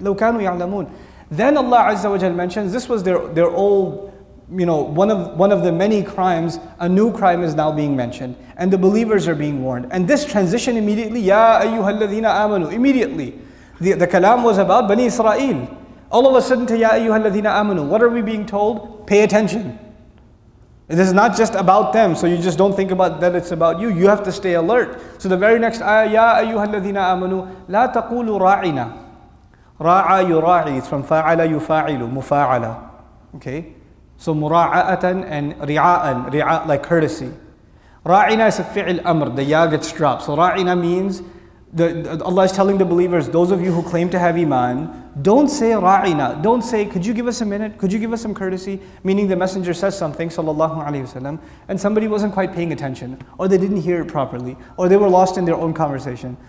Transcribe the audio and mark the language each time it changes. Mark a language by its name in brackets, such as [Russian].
[Arabic] لَوْ كَانُوا يَعْلَمُونَ [English] Then Allah Azza wa Jal mentions, this was their old, one of the many crimes, a new crime is now being mentioned, and the believers are being warned. And this transition immediately, [Arabic] يَا أَيُّهَا الَّذِينَ آمَنُوا [English] Immediately, the kalam was about Bani Israel. All of a sudden to [Arabic] يَا أَيُّهَا الَّذِينَ آمَنُوا [English] What are we being told? Pay attention. This is not just about them, so you just don't think about that it's about you. You have to stay alert. [Arabic] So the very next ayah, يَا أَيُّهَا الَّذِينَ آمَنُوا لَا تَقُولُوا رَاعِنَا رَاعَ يُرَاعِي [English] It's from [Arabic] فَاعَلَ يُفَاعِلُ مُفَاعَلَ [English] Okay? So [Arabic] مُرَاعَةً [English] and [Arabic] رِعَاءً رِعَاء [English] like courtesy. رَاعِنَا is a fi'il amr. The ya gets dropped. So رَاعِنَا means Allah is telling the believers, those of you who claim to have iman, don't say ra'ina. Don't say, could you give us a minute? Could you give us some courtesy? Meaning the messenger says something, sallallahu alayhi wasallam, and somebody wasn't quite paying attention, or they didn't hear it properly, or they were lost in their own conversation.